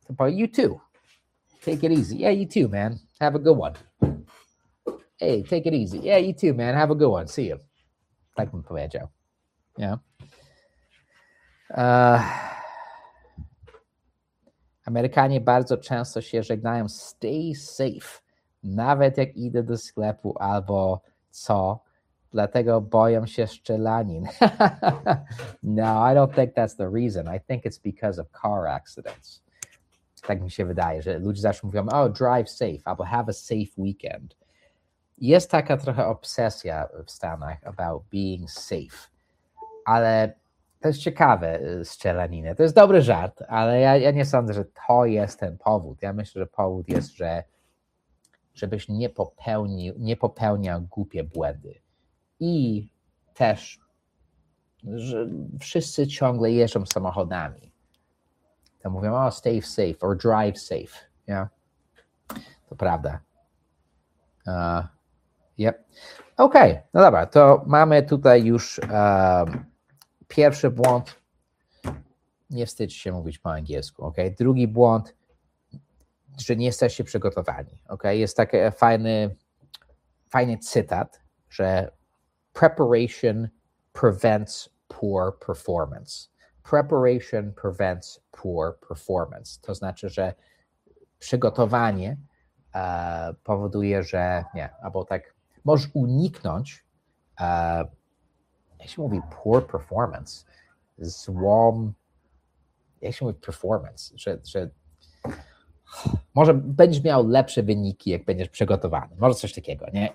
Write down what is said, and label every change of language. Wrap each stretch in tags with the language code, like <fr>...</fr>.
<en>You too. Take it easy. Yeah, you too, man. Have a good one. Hey, take it easy. Yeah, you too, man. Have a good one. See you.</en> <pl>Tak bym powiedział.</pl> <en>Yeah.</en> <pl>Amerykanie bardzo często się żegnają</pl> <en>stay safe,</en> <pl>nawet jak idę do sklepu albo co, dlatego boją się strzelanin.</pl> <en>No, I don't think that's the reason. I think it's because of car accidents.</en> <pl>Tak mi się wydaje, że ludzie zawsze mówią,</pl> <en>oh, drive safe,</en> <pl>albo</pl> <en>have a safe weekend.</en> <pl>Jest taka trochę obsesja w Stanach</pl> <en>about being safe.</en> <pl>Ale to jest ciekawe, strzelaniny. To jest dobry żart, ale ja nie sądzę, że to jest ten powód. Ja myślę, że powód jest, że żebyś nie popełniał głupie błędy. I też, że wszyscy ciągle jeżdżą samochodami. To mówią,</pl> <en>oh, stay safe or drive safe. Yeah.</en> <pl>To prawda.</pl> <en>Yep. Okay.</en> <pl>No dobra, to mamy tutaj już pierwszy błąd. Nie wstydź się mówić po angielsku. Okay? Drugi błąd, że nie jesteście przygotowani. Okay? Jest taki fajny cytat, że</pl> <en>preparation prevents poor performance. Preparation prevents poor performance.</en> <pl>To znaczy, że przygotowanie powoduje, że nie, albo tak możesz uniknąć, jak się mówi,</pl> <en>poor performance,</en> <pl>złom, jak się mówi, performance, że może będziesz miał lepsze wyniki, jak będziesz przygotowany, może coś takiego, nie?</pl>